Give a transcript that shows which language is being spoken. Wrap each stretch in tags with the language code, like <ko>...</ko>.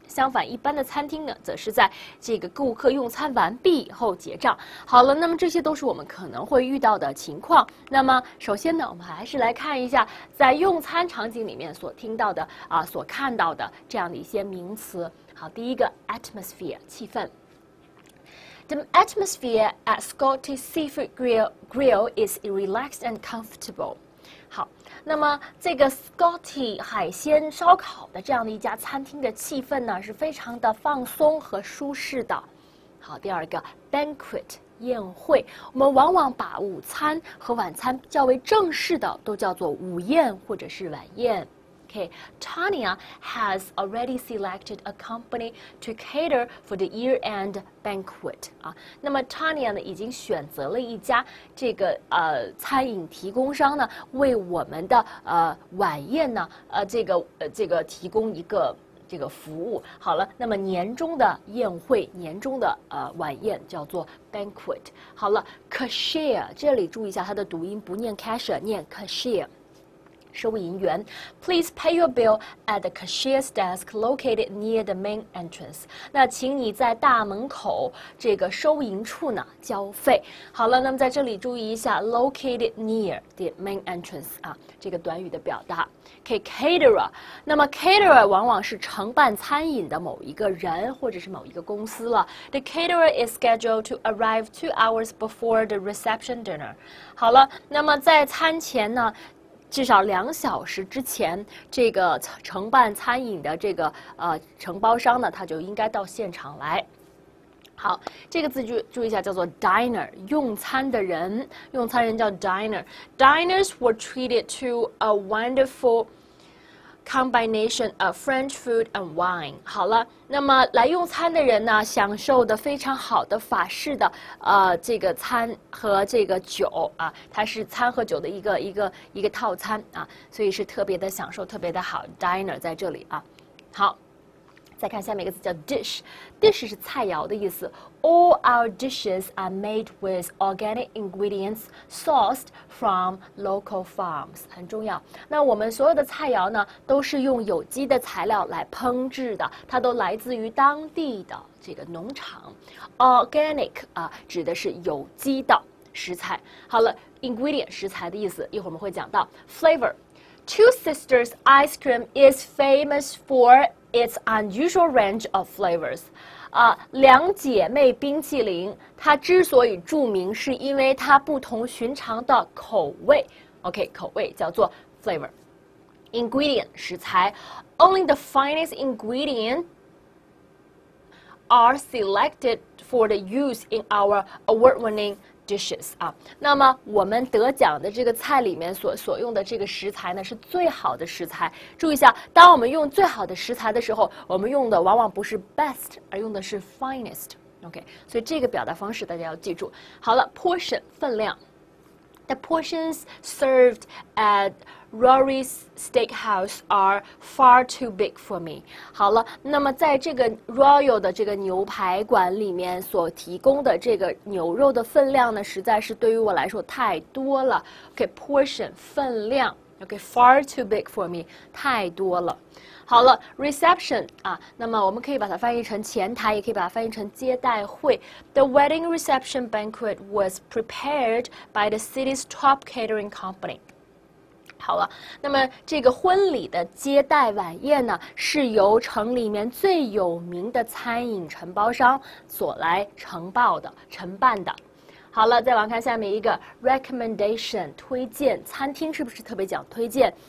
<zh>相反，一般的餐厅呢，则是在这个顾客用餐完毕以后结账。好了，那么这些都是我们可能会遇到的情况。那么首先呢，我们还是来看一下在用餐场景里面所听到的啊，所看到的这样的一些名词。好，第一个 atmosphere 气氛。</zh> <en>The atmosphere at Scottish Seafood Grill is relaxed and comfortable.</en> <zh>好，那么这个 Scottish 海鲜烧烤的这样的一家餐厅的气氛呢，是非常的放松和舒适的。好，第二个 banquet 宴会，我们往往把午餐和晚餐较为正式的都叫做午宴或者是晚宴。</zh> <en>Okay, Tania has already selected a company to cater for the year-end banquet.</en> <zh>啊，那么 Tania 呢，已经选择了一家这个餐饮提供商呢，为我们的晚宴呢，这个提供一个这个服务。好了，那么年终的宴会，年终的晚宴叫做 banquet。好了 ，cashier 这里注意一下它的读音，不念 cashier， 念 cashier。</zh> <en>收银员 ，Please pay your bill at the cashier's desk located near the main entrance.</en> <zh>那请你在大门口这个收银处呢交费。好了，那么在这里注意一下 ，</zh> <en>located near the main entrance</en> <zh>啊，这个短语的表达。 Okay, caterer， 那么 caterer 往往是承办餐饮的某一个人或者是某一个公司了。</zh> <en>The caterer is scheduled to arrive 2 hours before the reception dinner.</en> <zh>好了，那么在餐前呢？至少2小时之前，这个承办餐饮的这个承包商呢，他就应该到现场来。好，这个字注意一下，叫做 diner， 用餐的人，用餐人叫 diner。</zh> <en>Diners were treated to a wonderful combination of French food and wine。</en> <zh>好了，那么来用餐的人呢，享受的非常好的法式的这个餐和这个酒啊，它是餐和酒的一个套餐啊，所以是特别的享受，特别的好。 Diner 在这里啊，好。再看下面一个字叫 dish， dish 是菜肴的意思。</zh> <en>All our dishes are made with organic ingredients sourced from local farms，</en> <zh>很重要。那我们所有的菜肴呢，都是用有机的材料来烹制的，它都来自于当地的这个农场。 Organic 啊，指的是有机的食材。</zh> <en>好了 ，ingredient</en> <zh>食材的意思，一会儿我们会讲到。</zh> <en>Flavor， Two Sisters ice cream is famous for its unusual range of flavors.</en> <zh>啊，两姐妹冰淇淋，它之所以著名，是因为它不同寻常的口味。 OK， 口味叫做 flavor.</zh> <en>Ingredient 食材 ，only the finest ingredients are selected for the use in our award-winning dishes 啊。</en> <zh>那么我们得奖的这个菜里面所用的这个食材呢，是最好的食材。注意一下，当我们用最好的食材的时候，我们用的往往不是 best， 而用的是 finest。 OK， 所以这个表达方式大家要记住。</zh> <en>好了 ，portion 分量。The portions served at Rory's Steakhouse are far too big for me.</en> <zh>好了，那么在这个 Royal 的这个牛排馆里面所提供的这个牛肉的分量呢，实在是对于我来说太多了。</zh> <en>Okay, portion 分量。Okay, far too big for me.</en> <zh>太多了。好了 ，reception 啊，那么我们可以把它翻译成前台，也可以把它翻译成接待会。</zh> <en>The wedding reception banquet was prepared by the city's top catering company.</en> <zh>好了，那么这个婚礼的接待晚宴呢，是由城里面最有名的餐饮承包商所来承办的。好了，再往看下面一个 recommendation 推荐餐厅，是不是特别讲推荐？</zh>